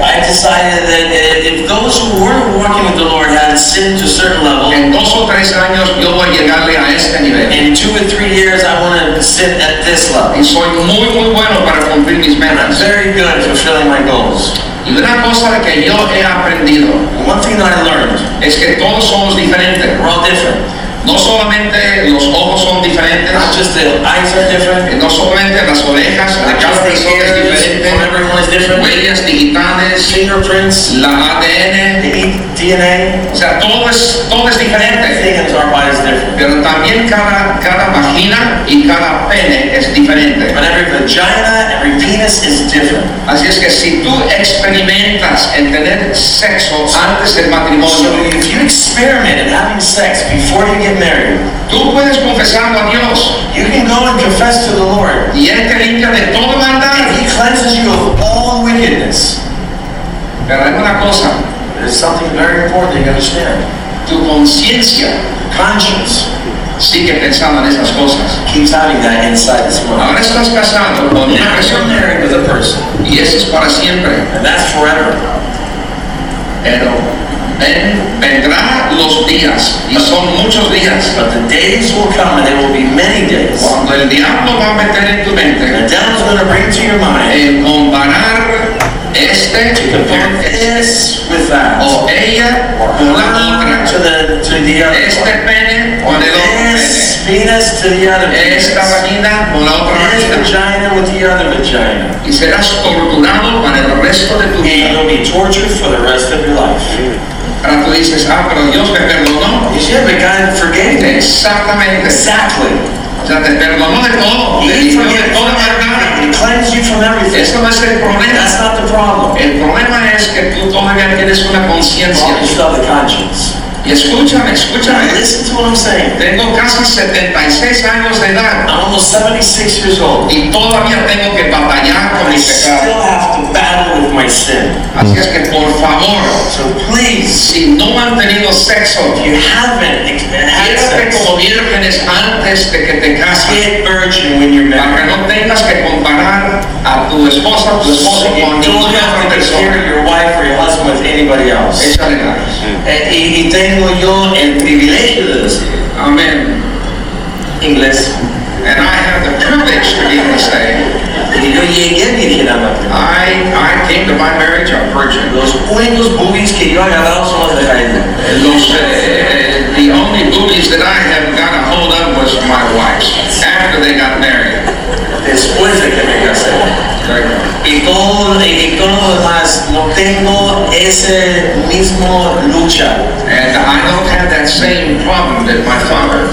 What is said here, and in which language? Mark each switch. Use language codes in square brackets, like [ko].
[en] I decided that if those who weren't walking with the Lord had sinned to a certain level, [es] en dos o tres años yo voy a llegarle a ese nivel. [en] In 2 or 3 years, I want to sit at this level. [es] Y soy muy, muy bueno para cumplir mis metas. [en] I'm very good at fulfilling my goals. [es] Y una cosa que yo he aprendido, [en] one thing that I learned, [es] es que todos somos diferentes. [en] We're all different. [es] No solamente los ojos son diferentes, [en] not just the eyes are different, [es] no solamente las orejas, la cara de sol es diferente, [en] everyone is different, [es] huellas digitales, [en] fingerprints, [es] la ADN, [en] DNA, [es] o sea, todo es diferente. [en] Everything into our body is different. [es] Pero también cada vagina y cada pene es diferente. [en] But every vagina, every penis is different. [es] Así es que si tú experimentas en tener sexo antes del matrimonio, [en] so if you experiment in having sex before you get married, [es] tú puedes confesarlo a Dios. [en] You can go and confess to the Lord. [es] Y él te limpia de toda maldad. [en] And he cleanses you of all wickedness. [es] Pero hay una cosa. [en] There's something very important that you understand. [es] Tu conciencia, [en] conscience, [es] sigue pensando en esas cosas. [en] Keeps having that inside this world. [es] Ahora estás casado con una persona. [en] Married with a person. [es] Y eso es para siempre. [en] And that's forever. [es] Pero vendrá los días, y son muchos días. [en] But the days will come, and there will be many days. [es] Cuando el diablo va a meter en tu mente. [en] The devil's going to bring to your mind. [es] El comparar este [en] to compare this with that. [es] O ella [en] or [es] con la otra. [en] To the other. [es] Este pene con el otro pene. [en] This penis to the other penis. [es] Esta vagina con la otra [en] vagina. This vagina with the other vagina. [es] Y serás torturado para el resto de tu vida. [en] And you'll be tortured for the rest of your life. [es] Ahora tú dices, ah, pero Dios me perdonó. [en] You said, but God forgave me. [es] Exactamente. [en] Exactly. [es] O sea, te perdonó de todo. [en] He forgave [es] toda la carne. [en] He cleansed you from everything. [es] Eso no es el problema. [en] That's not the problem. [es] El problema es que tú todavía tienes una conciencia. [en] You still have a conscience. [es] Y escúchame. [en] Now listen to what I'm saying. [es] Tengo casi 76 años de edad. [en] I'm almost 76 years old. [es] Y todavía tengo que batallar con mi pecado. [en] I still have to battle with my sin. [es] Así es que por favor. [en] So please. [es] Si no han tenido sexo. [en] If you haven't had sex. [es] Quédate como vírgenes antes de que te cases. [en] Get virgin when you're married. [es] Para que no tengas que comparar a tu esposa, tu esposo, [en] so [es] con ninguna otra persona. [en] Don't compare your wife or your husband with anybody else. [es] Échale ganas. Tengo yo el privilegio de decir, amen, inglés, [en] and I have the privilege to be able to say, [es] y yo llegué virgen a matrimonio. [en] I came to my marriage a virgin. [es] Los únicos boobies que yo he agarrado son los de Jaime. [en] The only boobies that I have got a hold of was my wife's after they got married. [es] Después de que me casé. Y todo lo demás, no tengo ese mismo lucha. [en] And I don't have that same problem that my father.